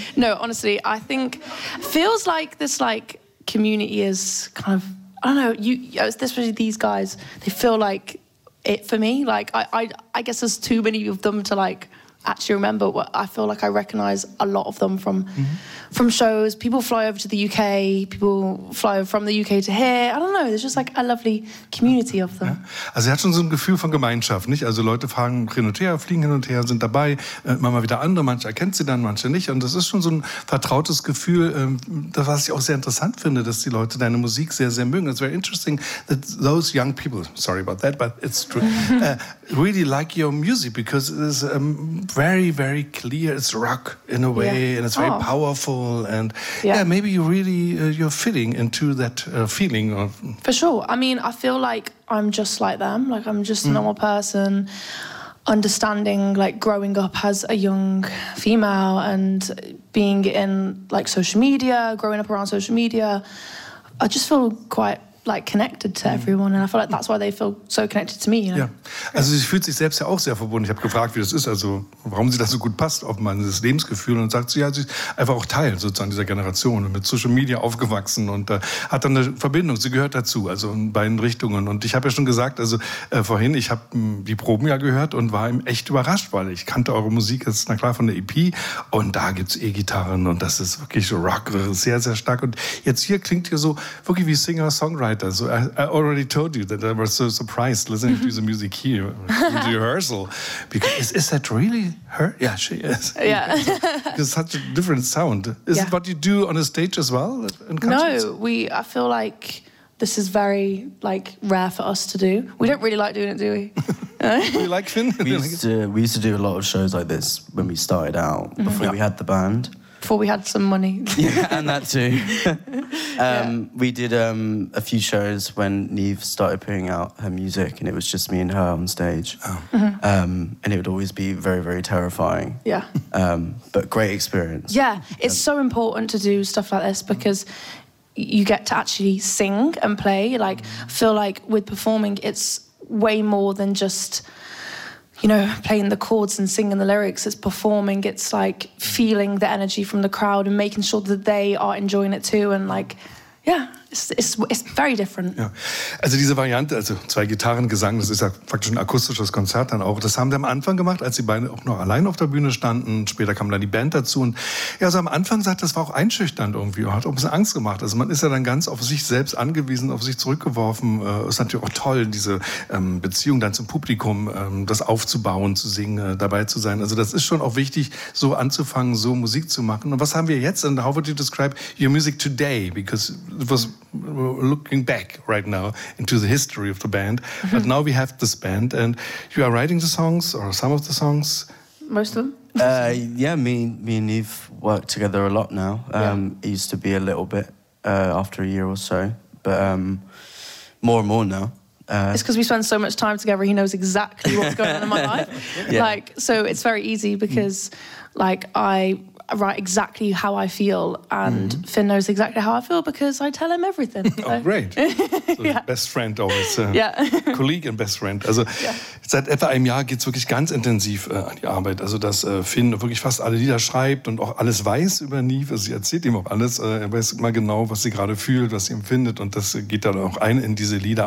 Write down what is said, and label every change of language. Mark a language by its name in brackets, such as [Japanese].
[English] No, honestly, I think feels like this like community is kind of, I don't know, especially these guys, they feel like it for me. Like, I guess there's too many of them to like, actually remember. What I feel like I recognize a lot of them from shows. People fly over to the UK, people fly from the UK to here. I don't know, there's just like a lovely community of them. [German] Also er hat schon so ein Gefühl von Gemeinschaft, nicht? Also Leute fahren hin und her, fliegen hin und her, sind dabei, manchmal wieder andere, manche erkennt sie dann, manche nicht. Und das ist schon so ein vertrautes Gefühl, das was ich auch sehr interessant finde, dass die Leute deine Musik sehr, sehr mögen. [English] It's very interesting that those young people, sorry about that, but it's true, really like your music because it's very, very clear. It's rock in a way, yeah. And it's very powerful. And yeah, maybe you really you're fitting into that feeling of. For sure. I mean, I feel like I'm just like them. Like I'm just a normal person, understanding like growing up as a young female and being in like social media, growing up around social media. I just feel quite like connected to everyone and I feel like that's why they feel so connected to me, you know? [German] Ja. Also sie fühlt sich selbst ja auch sehr verbunden. Ich habe gefragt, wie das ist, also warum sie das so gut passt auf mein Lebensgefühl und sagt sie, ja, sie ist einfach auch Teil sozusagen dieser Generation und mit Social Media aufgewachsen und hat dann eine Verbindung, sie gehört dazu, also in beiden Richtungen. Und ich habe ja schon gesagt, also vorhin, ich habe die Proben ja gehört und war echt überrascht, weil ich kannte eure Musik jetzt, na klar, von der EP und da gibt's E-Gitarren und das ist wirklich Rock, sehr, sehr stark. Und jetzt hier klingt ihr so wirklich wie Singer-Songwriter. [English] So I already told you that I was so surprised listening to the music here in the rehearsal. Because is that really her? Yeah, she is. Yeah. It's such a different sound. Is it what you do on a stage as well? No, I feel like this is very like rare for us to do. We don't really like doing it, do we? Do you like Finn? We used to do a lot of shows like this when we started out, before we had the band. Before we had some money. Yeah, and that too. We did a few shows when Niamh started putting out her music and it was just me and her on stage. And it would always be very, very terrifying. Yeah. But great experience. Yeah, it's so important to do stuff like this because you get to actually sing and play. Like, I feel like with performing, it's way more than just, you know, playing the chords and singing the lyrics. It's performing, it's like feeling the energy from the crowd and making sure that they are enjoying it too and like, yeah. It's very different. [German] Ja. Also diese Variante, also zwei Gitarren, Gesang, das ist ja praktisch ein akustisches Konzert dann auch. Das haben wir am Anfang gemacht, als die beiden auch noch allein auf der Bühne standen. Später kam dann die Band dazu. Und ja, so am Anfang sagt, das war auch einschüchternd irgendwie. Hat auch ein bisschen Angst gemacht. Also man ist ja dann ganz auf sich selbst angewiesen, auf sich zurückgeworfen. Ist natürlich auch toll, diese Beziehung dann zum Publikum, das aufzubauen, zu singen, dabei zu sein. Also das ist schon auch wichtig, so anzufangen, so Musik zu machen. Und was haben wir jetzt? [English] And how would you describe your music today? Because it was looking back right now into the history of the band, but now we have this band and you are writing the songs or some of the songs? Most of them. Me and Niamh work together a lot now. It used to be a little bit after a year or so, but more and more now. It's because we spend so much time together, he knows exactly what's going on in my life. Yeah. Like, so it's very easy because like write exactly how I feel, and mm-hmm. Finn knows exactly how I feel because I tell him everything. So. Oh, great. Yeah. Best friend always. Yeah. [German] Kollege und [English] best friend. [German] Also yeah. Seit etwa einem Jahr geht es wirklich ganz intensiv an die Arbeit. Also dass Finn wirklich fast alle Lieder schreibt und auch alles weiß über Neve. Also, sie erzählt ihm auch alles. Er weiß immer genau, was sie gerade fühlt, was sie empfindet, und das geht dann auch ein in diese Lieder.